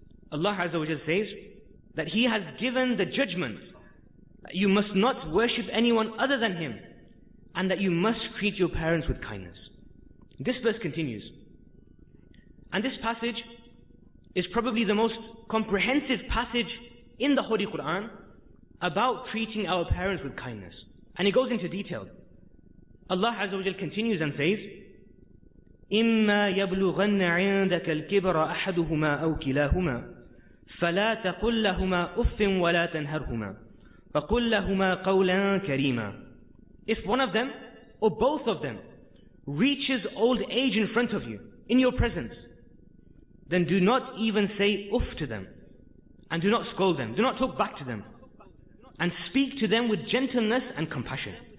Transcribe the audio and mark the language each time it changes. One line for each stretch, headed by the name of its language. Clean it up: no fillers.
English: Allah Azza wa Jalla says that He has given the judgment that you must not worship anyone other than Him, and that you must treat your parents with kindness. This verse continues. And this passage is probably the most comprehensive passage in the Holy Quran about treating our parents with kindness. And it goes into detail. Allah Azza wa Jalla continues and says,
Arabic: إِمَّا يَبْلُغَنَّ عِنْدَكَ الْكِبْرَ أَحَدُهُمَا أَوْ كِلَاهُمَا فَلَا تَقُلْ لَهُمَا أُفٍّ وَلَا تَنْهَرْهُمَا فَقُلْ لَهُمَا قَوْلًا كَرِيمًا.
English: If one of them, or both of them, reaches old age in front of you, in your presence, then do not even say uff to them, and do not scold them, do not talk back to them, and speak to them with gentleness and compassion.